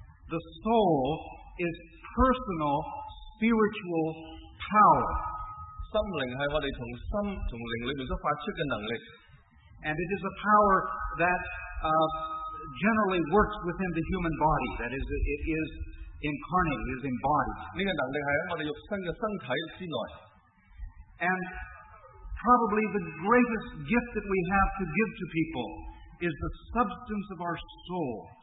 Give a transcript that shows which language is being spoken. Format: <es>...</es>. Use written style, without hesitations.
<en>The soul is personal spiritual power.</en> <yue>心灵系我哋从心从灵里面所发出嘅能力。</yue> <en>And it is a power that generally works within the human body. That is, it is incarnate, it is embodied.</en> <yue>呢个能力系喺我哋肉身嘅身体之内。</yue> <en>And probably the greatest gift that we have to give to people is the substance of our soul.</en>